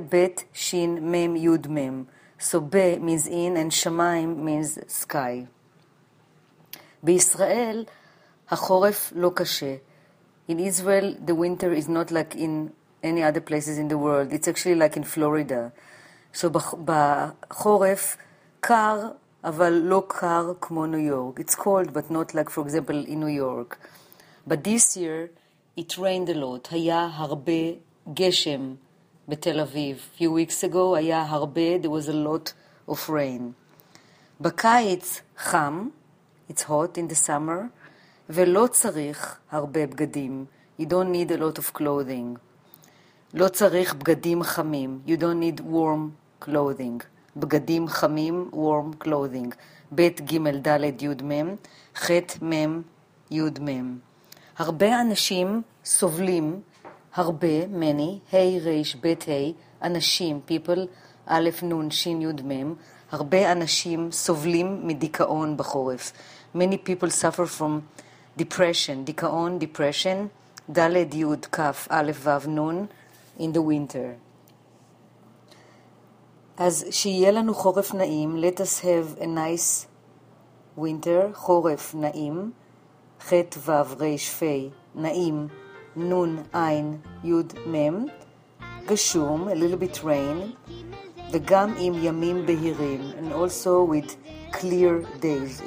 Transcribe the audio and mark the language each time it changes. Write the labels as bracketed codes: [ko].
[en] Bet, Shin, Mem, Yud, Mem. So Be means in and Shamayim means sky. [he] Bisrael, Hachoref lo kashe. [en] In Israel, the winter is not like in any other places in the world. It's actually like in Florida. [he] So, בחורף, קר, אבל לא קר כמו New York. [en] It's cold, but not like, for example, in New York. But this year, it rained a lot. [he] היה הרבה גשם בתל אביב. [en] A few weeks ago, [he] היה הרבה, [en] there was a lot of rain. [he] בקיץ, חם, [en] it's hot in the summer. [he] ולא צריך הרבה בגדים. [en] You don't need a lot of clothing. [he] לא צריך בגדים חמים. [en] You don't need warm clothing. [he] בגדים חמים, [en] warm clothing. [he] בית גימל דלת יוד מם, חת מם יוד מם. הרבה אנשים סובלים הרבה, many, היי ריש בית היי, אנשים, people, א' נון שין יוד מם, הרבה אנשים סובלים מדיכאון בחורף. [en] Many people suffer from depression, dikaon, depression, daled yud kaf alef vav nun, in the winter. [he] As שיהיה לנו חורף נעים, [en] let us have a nice winter, [he] חורף נעים, חת וו ריש פי, נעים, נון עין יוד מם, גשום, [en] a little bit rain, [he] וגם עם ימים בהירים, [en] and also with clear days.